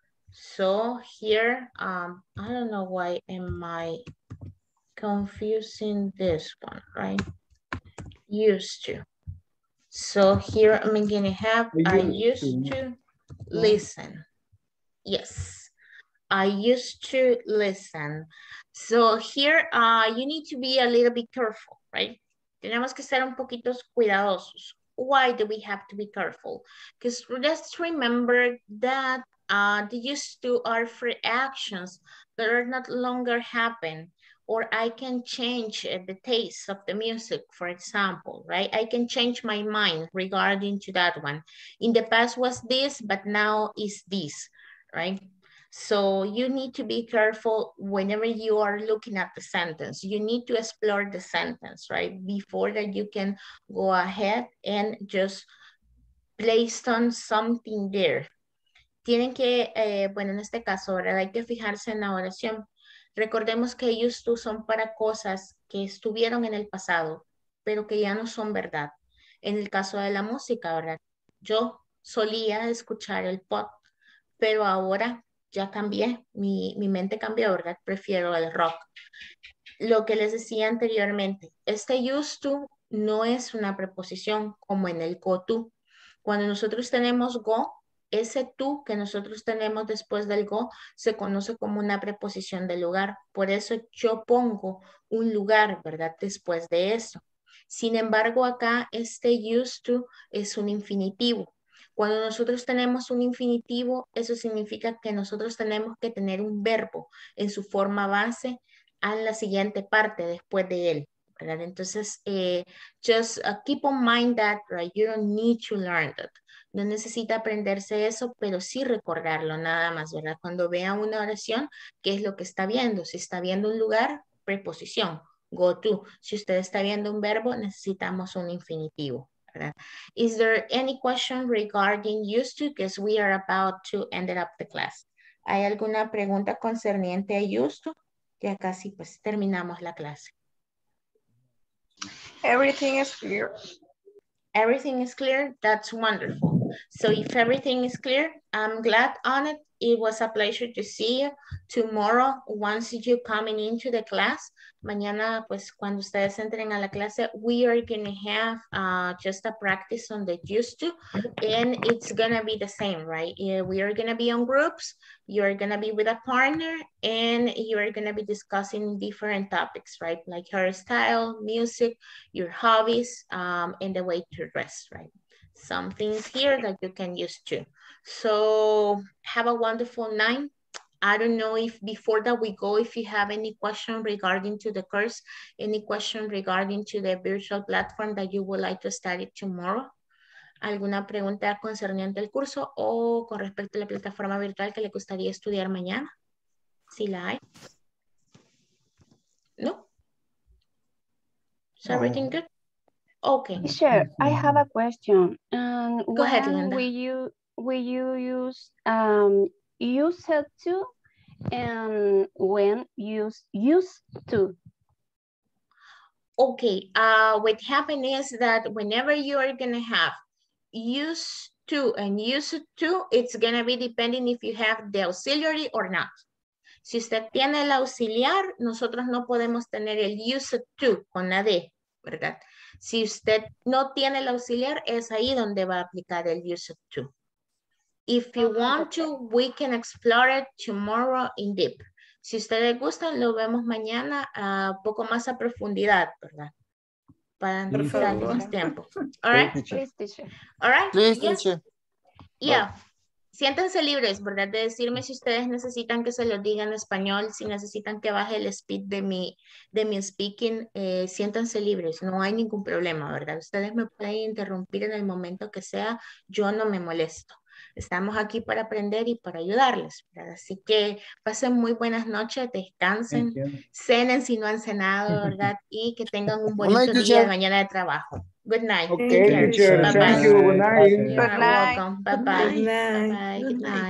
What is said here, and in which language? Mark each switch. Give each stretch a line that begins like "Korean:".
English: So here, I don't know why am I confusing this one, right? Used to. So here I'm gonna have, I used to listen. Yes, I used to listen. So here you need to be a little bit careful, right?
Spanish: Tenemos que ser un poquito cuidadosos.
English: Why do we have to be careful? Because let's remember that the used to are free actions that are not longer happen, or I can change the taste of the music, for example, right? I can change my mind regarding to that one. In the past was this, but now is this, right? So you need to be careful whenever you are looking at the sentence. You need to explore the sentence, right? Before that you can go ahead and just place on something there.
Spanish: Tienen que, bueno, en este caso, ¿verdad? Hay que fijarse en la oración. Recordemos que used to son para cosas que estuvieron en el pasado, pero que ya no son verdad. En el caso de la música, ¿verdad? Yo solía escuchar el pop, pero ahora ya cambié, mi mente cambió, ¿verdad? Prefiero el rock. Lo que les decía anteriormente, este used to no es una preposición como en el go to. Cuando nosotros tenemos go, ese to que nosotros tenemos después del go se conoce como una preposición de lugar. Por eso yo pongo un lugar, ¿verdad? Después de eso. Sin embargo, acá este used to es un infinitivo. Cuando nosotros tenemos un infinitivo, eso significa que nosotros tenemos que tener un verbo en su forma base en la siguiente parte después de él, ¿verdad?
English: Entonces, just keep in mind that, right? You don't need to learn that.
Spanish: No necesita aprenderse eso, pero sí recordarlo nada más, ¿verdad? Cuando vea una oración, ¿qué es lo que está viendo? Si está viendo un lugar, preposición, go to. Si usted está viendo un verbo, necesitamos un infinitivo.
English: Is there any question regarding used to? Because we are about to end up the class.
Spanish: ¿Hay alguna pregunta concerniente a used to? Ya casi pues terminamos la clase.
English: Teacher, Everything is clear. Everything is clear. That's wonderful. So if everything is clear, I'm glad on it. It was a pleasure to see you tomorrow. Once you coming into the class,
Spanish: mañana, pues cuando ustedes entren a la clase,
English: we are going to have just a practice on the used to, and it's going to be the same, right? We are going to be on groups, you're going to be with a partner, and you're going to be discussing different topics, right? Like hairstyle, music, your hobbies, and the way to dress, right? Some things here that you can use too. So have a wonderful night. I don't know if before that we go, if you have any question regarding to the course, any question regarding to the virtual platform that you would like to study tomorrow.
Spanish: ¿Alguna pregunta concerniente al curso o con respecto a la plataforma virtual que le gustaría estudiar mañana? ¿Sí la hay?
English: ¿No? ¿Is everything good? Okay. Sure, I have a question. Go ahead, Linda. Will you use to and when used to? Okay, what happened is that whenever you are gonna have used to and used to, it's gonna be depending if you have the auxiliary or not.
Spanish: Si usted tiene el auxiliar, nosotros no podemos tener el used to con la D, ¿verdad? Si usted no tiene el auxiliar, es ahí donde va a aplicar el used to.
English: If you want to, we can explore it tomorrow in deep.
Spanish: Si ustedes gustan, lo vemos mañana a poco más a profundidad, ¿verdad? Para entrar en más tiempo.
English: All right? Please, teacher. All right? Please, teacher. Yeah.
Spanish: Siéntense libres, ¿verdad? De decirme si ustedes necesitan que se lo diga en español, si necesitan que baje el speed de mi speaking, siéntense libres. No hay ningún problema, ¿verdad? Ustedes me pueden interrumpir en el momento que sea. Yo no me molesto. Estamos aquí para aprender y para ayudarles, ¿verdad? Así que pasen muy buenas noches, descansen, cenen si no han cenado, ¿verdad? Y que tengan un bonito día de mañana de trabajo.
English: Good night. Okay, thank you. Bye-bye. Thank you. Good night. You're welcome. Bye-bye. Good night. Bye-bye. Good night. Good night.